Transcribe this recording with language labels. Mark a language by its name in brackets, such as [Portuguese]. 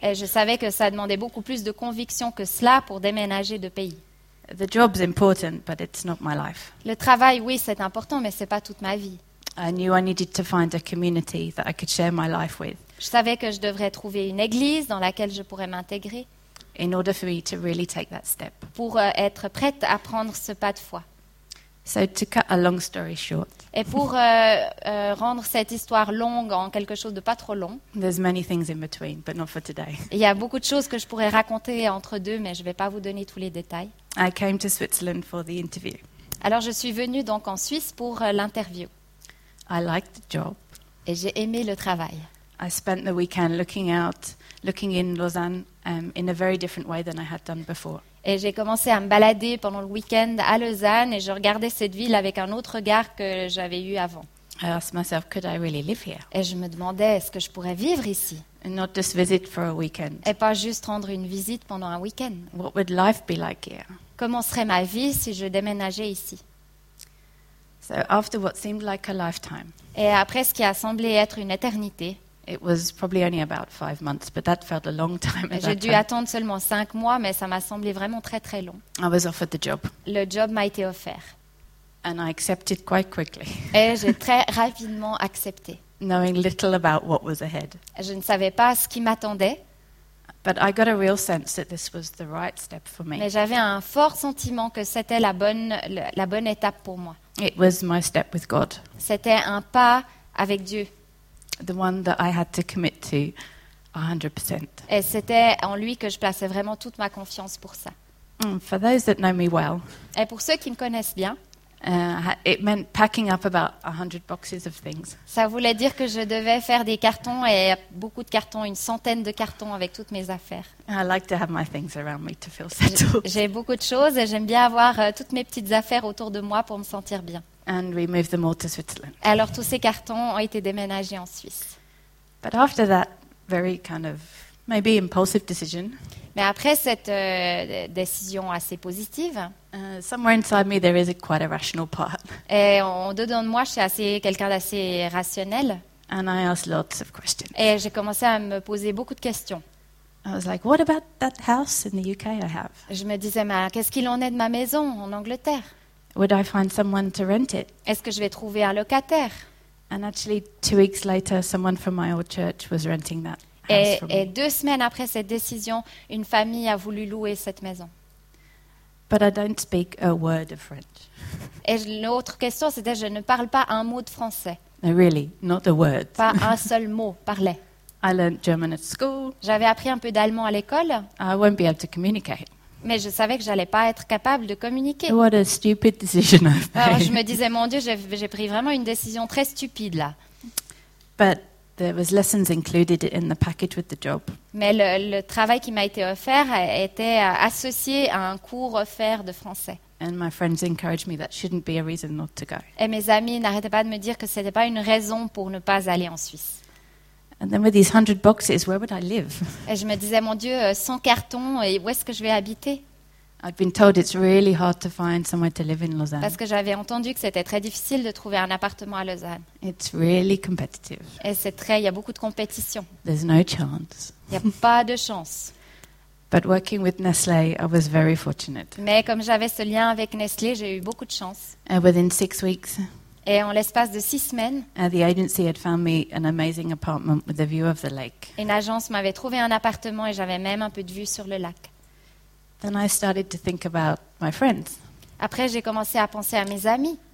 [French] Et je savais que ça demandait beaucoup plus de conviction que cela pour déménager de pays. [English] The job's important, but it's not my life. [French] Le travail, oui, c'est important, mais c'est pas toute ma vie. [English] I knew I needed to find a community that I could share my life with. [French] Je savais que je devrais trouver une église dans laquelle je pourrais m'intégrer. [English] In order for me to really take that step. [French] Pour être prête à prendre ce pas de foi. [English] So to cut a long story short. [French] Et pour rendre cette histoire longue en quelque chose de pas trop long. [English] There's many things in between, but not for today. [French] Il y a beaucoup de choses que je pourrais raconter entre deux, mais je ne vais pas vous donner tous les détails. [English] I came to Switzerland for the interview. [French] Alors je suis venue donc en Suisse pour l'interview. [English] I liked the job. [French] Et j'ai aimé le travail. [English] I spent the weekend looking out, looking in Lausanne, in a very different way than I had done before. [French] Et j'ai commencé à me balader pendant le week-end à Lausanne et je regardais cette ville avec un autre regard que j'avais eu avant. [English] I asked myself, could I really live here? [French] Et je me demandais, est-ce que je pourrais vivre ici? [English] And not just visit for a weekend. [French] Et pas juste rendre une visite pendant un week-end. [English] What would life be like here? [French] Comment serait ma vie si je déménageais ici? [English] So after what seemed like a lifetime, [French] et après ce qui a semblé être une éternité, [English] it was probably only about 5 months, but that felt a long time. [French] J'ai dû attendre seulement 5 mois, mais ça m'a semblé vraiment très très long. [English] I was offered the job. [French] Le job m'a été offert. [English] And I accepted quite quickly. [French] Et j'ai très rapidement accepté. [English] Knowing little about what was ahead. [French] Je ne savais pas ce qui m'attendait. [English] But I got a real sense that this was the right step for me. [French] Mais j'avais un fort sentiment que c'était la bonne étape pour moi. [English] It was my step with God. [French] C'était un pas avec Dieu. [English] The one that I had to commit to 100%. [French] Et c'était en lui que je plaçais vraiment toute ma confiance pour ça. [English] For those that know me well. [French] Et pour ceux qui me connaissent bien. [English] It meant packing up about 100 boxes of things. [French] Ça voulait dire que je devais faire des cartons et beaucoup de cartons, une centaine de cartons avec toutes mes affaires. [English] I like to have my things around me to feel settled. [French] J'ai beaucoup de choses et j'aime bien avoir toutes mes petites affaires autour de moi pour me sentir bien. [English] And we moved them all to Switzerland. [French] Alors tous ces cartons ont été déménagés en Suisse. [English] But after that very kind of maybe impulsive decision. [French] Mais après cette décision assez positive, [English] somewhere inside me there is quite a rational part. [French] Et en dedans de moi, je suis assez quelqu'un d'assez rationnel. [English] And I asked lots of questions. [French] Et j'ai commencé à me poser beaucoup de questions. [English] I was like, what about that house in the UK I have? [French] Je me disais, mais qu'est-ce qu'il en est de ma maison en Angleterre? [English] Would I find someone to rent it? [French] Est-ce que je vais trouver un locataire? [English] And actually 2 weeks later someone from my old church was renting that house for me. [French] Et 2 semaines après cette décision, une famille a voulu louer cette maison. [English] But I don't speak a word of French. [French] Et l'autre question c'était, je ne parle pas un mot de français. [English] No, really, not a word. [French] Pas un seul mot parlait. [English] I learned German at school. [French] J'avais appris un peu d'allemand à l'école. [English] I won't be able to communicate. [French] Mais je savais que je n'allais pas être capable de communiquer. [English] What a stupid decision I've made. [French] Alors je me disais, mon Dieu, j'ai pris vraiment une décision très stupide là. [English] But there was lessons included in the package with the job. [French] Mais le travail qui m'a été offert était associé à un cours offert de français. [English] And my friends encouraged me that shouldn't be a reason not to go. [French] Et mes amis n'arrêtaient pas de me dire que ce n'était pas une raison pour ne pas aller en Suisse. [English] And then with these 100 boxes, where would I live? [French] Et je me disais, mon Dieu, 100 cartons, et où est-ce que je vais habiter? [English] I'd been told it's really hard to find somewhere to live in Lausanne. [French] Parce que j'avais entendu que c'était très difficile de trouver un appartement à Lausanne. [English] It's really competitive. [French] Et c'est très, il y a beaucoup de compétition. [English] There's no chance. [French] Il y a pas de chance. [English] But working with Nestlé, I was very fortunate. [French] Mais comme j'avais ce lien avec Nestlé, j'ai eu beaucoup de chance. [English] And within 6 weeks. [French] Et en l'espace de 6 semaines, [English] the agency had found me an amazing apartment with a view of the lake. [French] Une agence m'avait trouvé un appartement et j'avais même un peu de vue sur le lac. [English] Then I started to think about my friends. [French] Après, j'ai commencé à penser à mes amis.